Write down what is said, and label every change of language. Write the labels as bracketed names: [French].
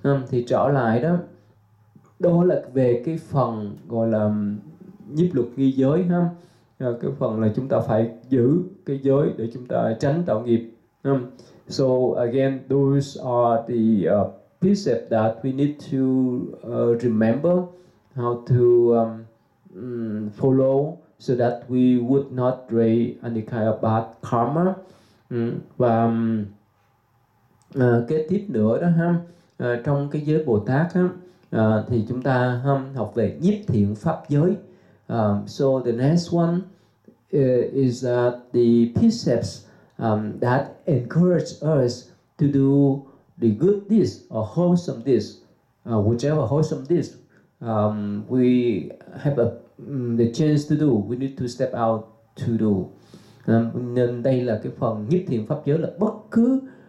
[Vietnamese] Thì trở lại đó, đó là về cái phần gọi là nhiếp luật nghi giới ha, cái phần là chúng ta phải giữ cái giới để chúng ta tránh tạo nghiệp. [English] So again, those are the precepts that we need to remember how to follow so that we would not create any kind of bad karma. [Vietnamese] Và kế tiếp nữa đó ha, trong cái giới Bồ Tát ha, thì chúng ta học về nhiếp thiện pháp giới. [English] So the next one is that the precepts that encourage us to do the good deeds or wholesome deeds, whichever wholesome deeds we have the chance to do, we need to step out to do. [Vietnamese] Nên đây là cái phần nhiếp thiện pháp giới, là bất cứ